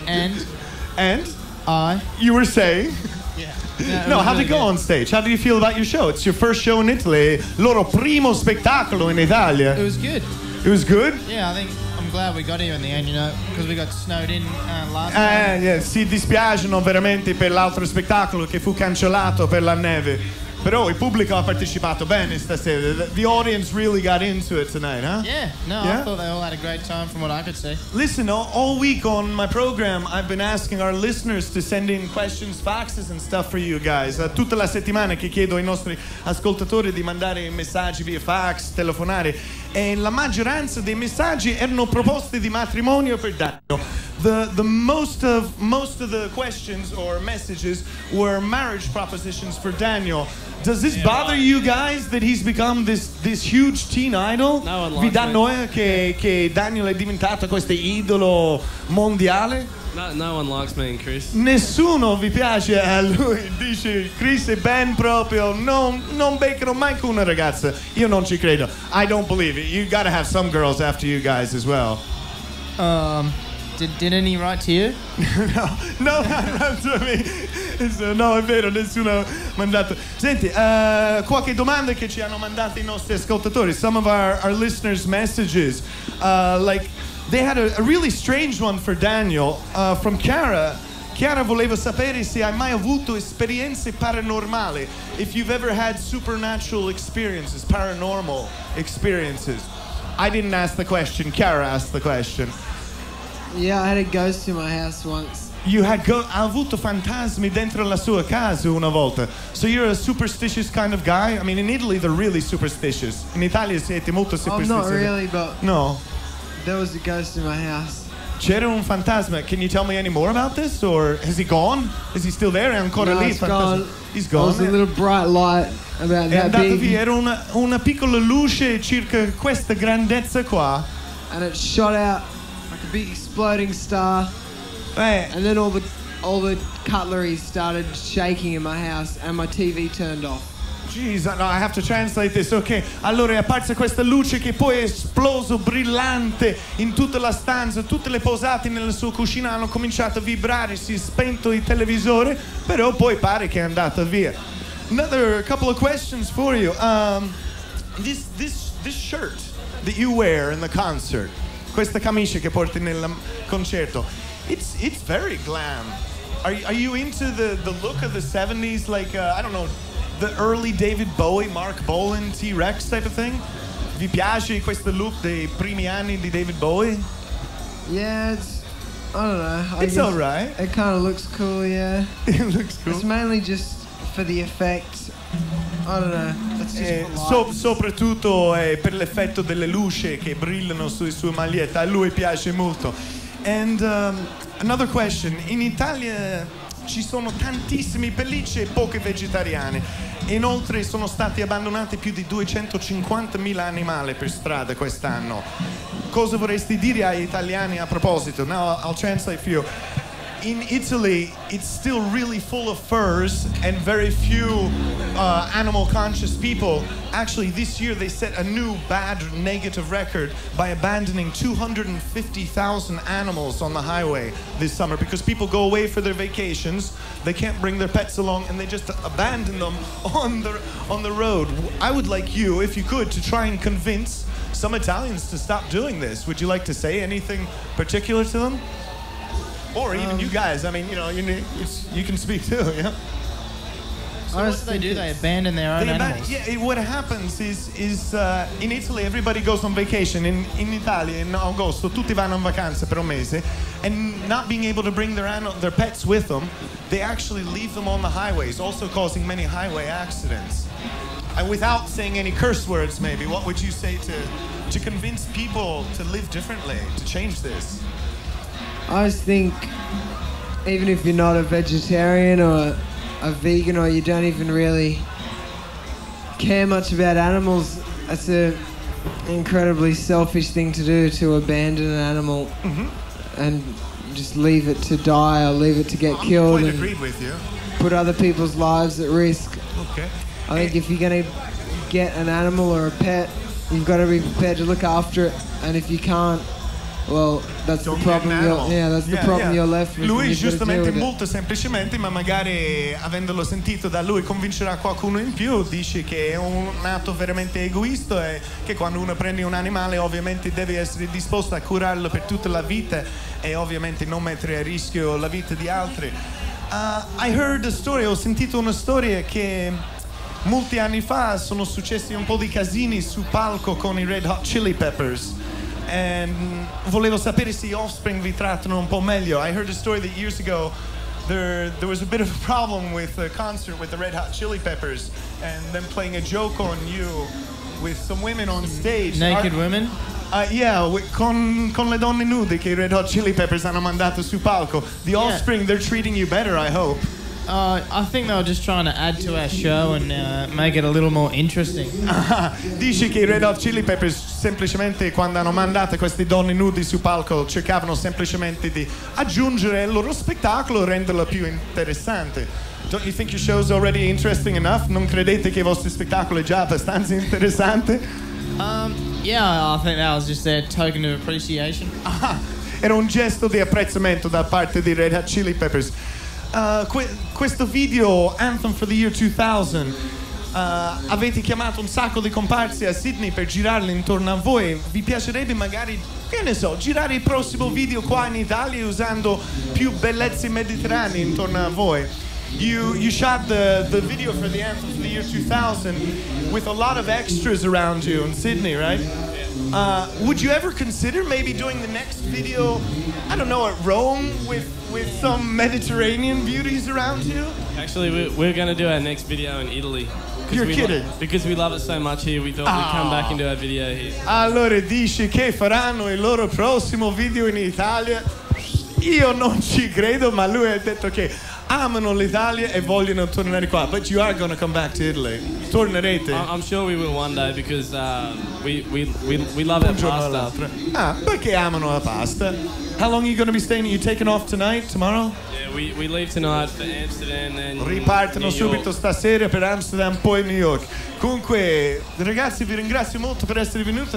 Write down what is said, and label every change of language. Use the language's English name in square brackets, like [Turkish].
[English] And? I? You were saying? Yeah. No, how did it go on stage? How did you feel about your show? It's your first show in Italy. [Italian] Loro primo spettacolo in Italia. [English] It was good. It was good? Yeah, I think... glad we got here in the end, you know, because we got snowed in last [Italian] night. Yeah, si dispiacciono veramente per l'altro spettacolo che fu cancellato per la neve. Però il pubblico ha partecipato bene stasera. [English] The audience really got into it tonight, huh? Yeah, no, yeah? I thought they all had a great time from what I could see. Listen, all week on my program I've been asking our listeners to send in questions, faxes and stuff for you guys. [Italian] Tutta la settimana che chiedo ai nostri ascoltatori di mandare messaggi via fax, telefonare. E la maggioranza dei messaggi erano proposte di matrimonio per Daniel. [English] The most of the questions or messages were marriage propositions for Daniel. Does this bother you guys that he's become this huge teen idol? No, I like [Italian] it. Vi dà noia che Daniel è diventato questo idolo mondiale? [English] No one likes me and Chris. [Italian] Nessuno vi piace a lui. Dice Chris e Ben proprio non beccano mai una ragazza. Io non ci credo. [English] I don't believe it. You gotta have some girls after you guys as well. Didn't he write to you? No, not to me. [Italian] No, è vero, nessuno ha mandato. Senti, qualche domanda che ci hanno mandato I nostri ascoltatori. [English] Some of our listeners' messages. Like, they had a really strange one for Daniel from Chiara. Chiara voleva sapere se hai mai avuto esperienze paranormali. If you've ever had supernatural experiences, paranormal experiences. I didn't ask the question. Chiara asked the question. Yeah, I had a ghost in my house once. You had [Italian] ha avuto fantasmi dentro la sua casa una volta. [English] So you're a superstitious kind of guy? I mean, in Italy, they're really superstitious. [Italian] In Italia siete molto superstitious. [English] Oh, not really, but... No. There was a ghost in my house. [Italian] C'era un fantasma. [English] Can you tell me any more about this? Or has he gone? Is he still there? [Italian] Ancora no, lì? [English] He's gone. He's gone. There was a little bright light about [Italian] è [English] big. [Italian] Era una piccola luce circa questa grandezza qua. [English] And it shot out like a big exploding star. And then all the cutlery started shaking in my house and my TV turned off. Jeez, no, I have to translate this. [Italian] Okay, allora è apparsa questa luce che poi è esploso brillante in tutta la stanza. Tutte le posate nella sua cucina hanno cominciato a vibrare, si è spento il televisore, però poi pare che è andata via. [English] Another couple of questions for you. This shirt that you wear in the concert, [Italian] questa camicia che porti nel concerto, [English] it's very glam. Are you into the look of the 70s, like, I don't know, the early David Bowie, Mark Bolan, T-Rex type of thing? [Italian] Vi piace questo look dei primi anni di David Bowie? [English] Yeah, it's... I don't know. It's all right. It kind of looks cool, yeah. It looks cool. It's mainly just for the effect. I don't know. [Italian] Soprattutto è per l'effetto delle luci che brillano sulle sue magliette. A lui piace molto. [English] And another question. [Italian] In Italia... ci sono tantissime pellicce e poche vegetariane. Inoltre sono stati abbandonati più di 250.000 animali per strada quest'anno. Cosa vorresti dire agli italiani a proposito? [English] Now I'll translate for you. In Italy it's still really full of furs and very few animal conscious people. Actually this year they set a new bad negative record by abandoning 250,000 animals on the highway this summer because people go away for their vacations, they can't bring their pets along and they just abandon them on the road. I would like you, if you could, to try and convince some Italians to stop doing this. Would you like to say anything particular to them? Or even you guys, I mean, you know, you can speak too, yeah? So what do? They abandon their own animals? Yeah, what happens is in Italy everybody goes on vacation. In Italia, in agosto, tutti vanno in vacanza per un mese. And not being able to bring their pets with them, they actually leave them on the highways, also causing many highway accidents. And without saying any curse words, maybe, what would you say to convince people to live differently, to change this? I just think, even if you're not a vegetarian or a vegan or you don't even really care much about animals, that's an incredibly selfish thing to do, to abandon an animal and just leave it to die or leave it to get killed. I'm quite agreed with you. Put other people's lives at risk. Okay. I think if you're going to get an animal or a pet, you've got to be prepared to look after it, and if you can't, well, that's don't the problem. That's the problem. You're left with. [Italian] Lui giustamente, molto semplicemente, ma magari avendolo sentito da lui, convincerà qualcuno in più. Dice che è un atto veramente egoista e che quando uno prende un animale, ovviamente deve essere disposto a curarlo per tutta la vita e ovviamente non mettere a rischio la vita di altri. [English] I heard a story. [Italian] Ho sentito una storia che molti anni fa sono successi un po' di casini sul palco con i Red Hot Chili Peppers. And volevo sapere se offspring vi trattano un po' meglio. [English] I heard a story that years ago there was a bit of a problem with a concert with the Red Hot Chili Peppers and them playing a joke on you with some women on stage. Naked women? [Italian] Con le donne nude che Red Hot Chili Peppers hanno mandato su palco. [English] The offspring, they're treating you better, I hope. I think they were just trying to add to our show and make it a little more interesting. [Italian] Dici che i Red Hot Chili Peppers semplicemente quando hanno mandato queste donne nudi su palco cercavano semplicemente di aggiungere il loro spettacolo, renderlo più interessante. [English] Don't you think your show's already interesting enough? [Italian] Non credete che il vostro spettacolo è già abbastanza interessante? [English] I think that was just a token of appreciation. [Italian] Era un gesto di apprezzamento da parte di Red Hot Chili Peppers. Questo video Anthem for the Year 2000, avete chiamato un sacco di comparse a Sydney per girarli intorno a voi. Vi piacerebbe magari, che ne so, girare il prossimo video qua in Italia usando più bellezze mediterranee intorno a voi? [English] You shot the video for the Anthem for the Year 2000 with a lot of extras around you in Sydney, right? Yeah. Would you ever consider maybe doing the next video, I don't know, at Rome with some Mediterranean beauties around you? Actually, we're going to do our next video in Italy. You're kidding. Because we love it so much here, we thought we'd come back and do our video here. [Italian] Allora, dice che faranno il loro prossimo video in Italia. Io non ci credo, ma lui ha detto che amano l'Italia e vogliono tornare qua. [English] But you are going to come back to Italy. [Italian] Tornerete. [English] I'm sure we will one day because we love it pasta. [Italian] Ah, perché amano la pasta? [English] How long are you going to be staying? Are you taking off tonight, tomorrow? Yeah, we leave tonight for Amsterdam and [Italian] ripartono subito stasera per Amsterdam, poi New York. Comunque, ragazzi, vi ringrazio molto per essere venuti.